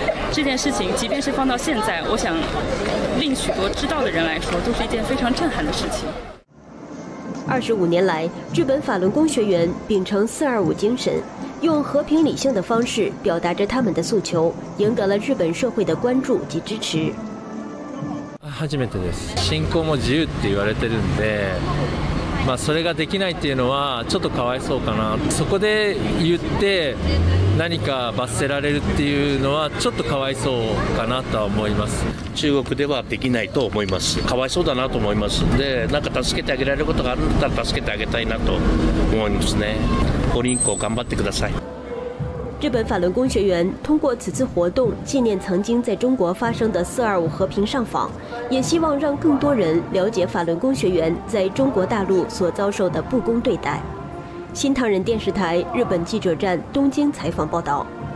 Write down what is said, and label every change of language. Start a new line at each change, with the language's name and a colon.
Chinese: 这件事情即便是放到现在，我想令许多知道的人来说都是一件非常震撼的事情。 25年来，日本法轮功学员秉承425精神，用和平理性的方式表达着他们的诉求，赢得了日本社会的关注及支持。
Japanese: 初めてです。信仰も自由って言われてるんで、まあ、それができないっていうのはちょっとかわいそうかな。そこで言って何か罰せられるっていうのはちょっとかわいそうかなとは思います。中国ではできないと思います。かわいそうだなと思います。で、何か助けてあげられることがあるんだったら助けてあげたいなと思いますね。五輪功頑張ってください。
Chinese: 日本法轮功学员通过此次活动纪念曾经在中国发生的425和平上访，也希望让更多人了解法轮功学员在中国大陆所遭受的不公对待。新唐人电视台日本记者站东京采访报道。